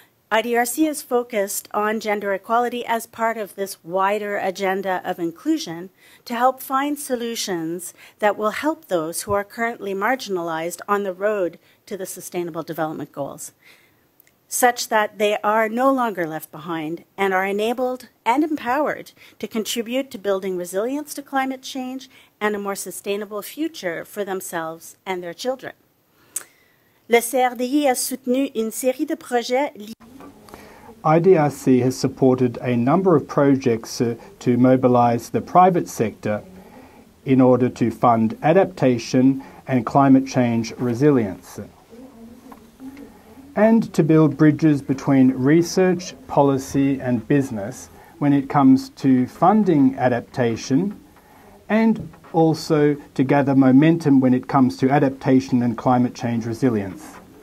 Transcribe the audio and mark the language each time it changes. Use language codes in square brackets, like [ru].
[en] IDRC is focused on gender equality as part of this wider agenda of inclusion to help find solutions that will help those who are currently marginalized on the road to the Sustainable Development Goals, such that they are no longer left behind and are enabled and empowered to contribute to building resilience to climate change and a more sustainable future for themselves and their children. [fr] Le CRDI a soutenu une série de projets. [en] IDRC has supported a number of projects to mobilize the private sector in order to fund adaptation and climate change resilience, and to build bridges between research, policy and business when it comes to funding adaptation, and also to gather momentum when it comes to adaptation and climate change resilience.